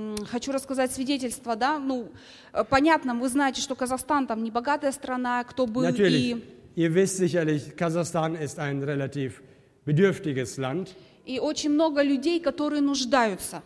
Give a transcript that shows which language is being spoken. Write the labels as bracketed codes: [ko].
[ru] Хочу рассказать свидетельство, да, ну, понятно, вы знаете, что Казахстан там не богатая страна, кто был [de] Natürlich. И... Ihr wisst sicherlich, Kasachstan ist ein relativ bedürftiges Land. [ru] И очень много людей, которые нуждаются.